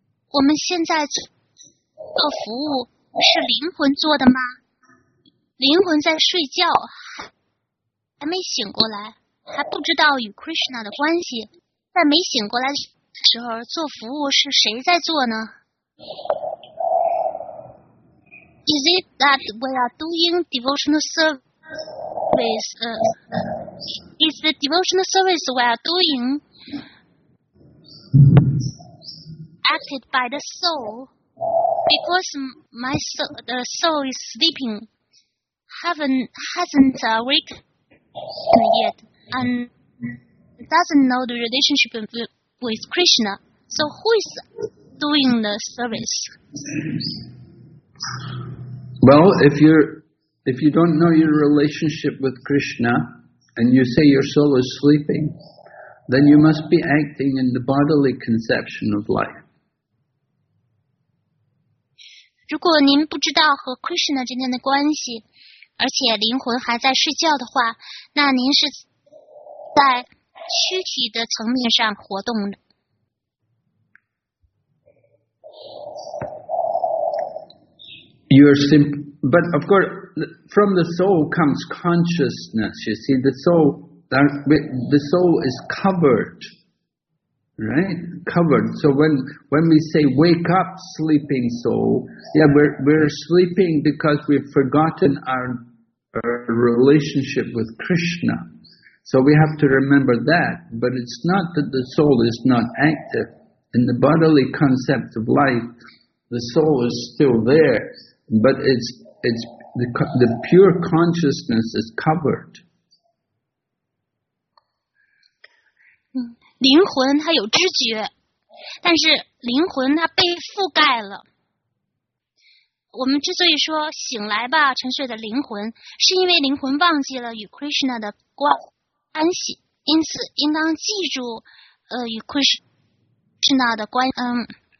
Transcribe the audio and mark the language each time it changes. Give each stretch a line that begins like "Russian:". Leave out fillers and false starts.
Chinese: 我们现在做服务是灵魂做的吗？灵魂在睡觉，还没醒过来，还不知道与 Krishna 的关系。在没醒过来的时候做服务是谁在做呢？
English: Is it that we are doing devotional service? Is the devotional service we are doing acted by the soul? Because my soul, the soul is sleeping, hasn't awakened yet, and doesn't know the relationship with Krishna. So who is doing the service? Well, if you don't know your relationship with Krishna, and you say your soul is sleeping, then you must be acting in the bodily conception of life.
Chinese: 如果您不知道和 Krishna 之间的关系，而且灵魂还在睡觉的话，那您是在躯体的层面上活动的。
English: But of course, from the soul comes consciousness. You see, the soul is covered. Right, covered. So when we say "wake up, sleeping soul," yeah, we're sleeping because we've forgotten our relationship with Krishna. So we have to remember that. But it's not that the soul is not active in the bodily concept of life. The soul is still there, but it's the pure consciousness is covered.
Chinese: 灵魂它有知觉，但是灵魂它被覆盖了。我们之所以说醒来吧，沉睡的灵魂，是因为灵魂忘记了与 Krishna 的关系，因此应当记住，与 Krishna 的关系。